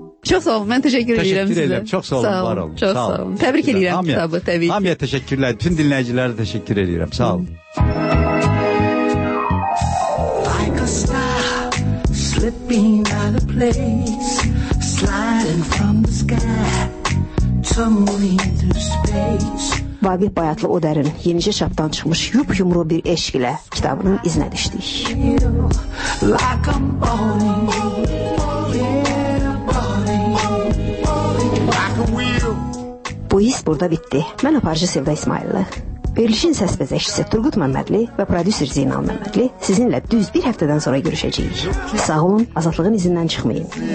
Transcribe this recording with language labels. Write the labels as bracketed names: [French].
[Azerbaijani] Çox sağ olun, mən təşəkkür edirəm sizə. Təşəkkür edirəm, çox sağ olun, sağ olun, var olun. Çox sağ olun, təbrik edirəm hamıya, kitabı, təbii ki. Hamıya təşəkkürlər, bütün dinləyicilərə təşəkkür edirəm, sağ olun. [English] Like a star, slipping out of place, sliding from the sky, tumbling through space. [Azerbaijani] Vaqif Bayatlı O Dərin yenicə çapdan çıxmış Yup Yumru Bir Eşqilə kitabının izinə düşdük. Bu his burada bitti. Mən aparıcı Sevda İsmaillı. Verilişin səs bəzəkçisi Turqut Məmmədli və prodüser Zeynal Məmmədli sizinlə düz bir həftədən sonra görüşəcəyik. Sağ olun, azadlığın izindən çıxmayın.